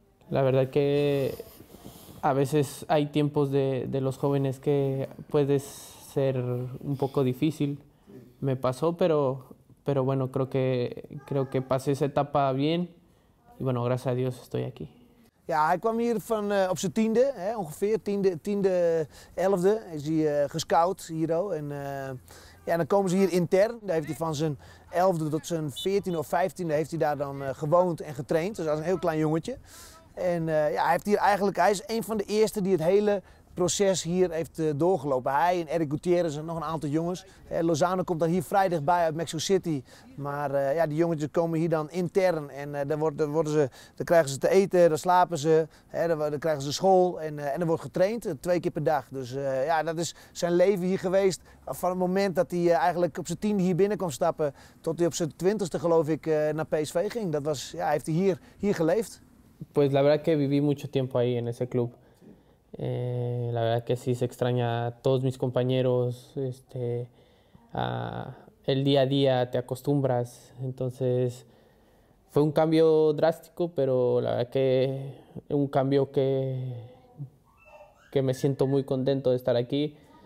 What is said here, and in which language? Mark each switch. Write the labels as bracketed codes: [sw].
[es] La verdad que a veces hay tiempos de los jóvenes que puede ser un poco difícil. Me pasó, pero bueno, creo que pasé esa etapa bien. Y bueno, gracias a Dios estoy aquí. [nl] Ja, hij kwam hier van op zijn tiende, hè, ongeveer tiende, elfde. Is hij gescout hier ook. En dan komen ze hier intern. Daar heeft hij van zijn elfde tot zijn veertiende of vijftiende heeft hij daar dan gewoond en getraind. Dus als een heel klein jongetje. En hij heeft hier eigenlijk, hij is een van de eerste die het hele proces hier heeft doorgelopen. Hij en Eric Gutierrez en nog een aantal jongens. Lozano komt dan hier vrij dichtbij uit Mexico City. Maar die jongetjes komen hier dan intern. En dan krijgen ze te eten, dan slapen ze. Dan krijgen ze school en er wordt getraind twee keer per dag. Dus dat is zijn leven hier geweest. Van het moment dat hij eigenlijk op zijn tiende hier binnen kon stappen. Tot hij op zijn twintigste geloof ik naar PSV ging. Heeft hij hier geleefd. [es] Pues la verdad que viví mucho tiempo ahí en ese club. La verdad que sí se extraña a todos mis compañeros. El día a día te acostumbras. Entonces fue un cambio drástico, pero la verdad que un cambio que me siento muy contento de estar aquí.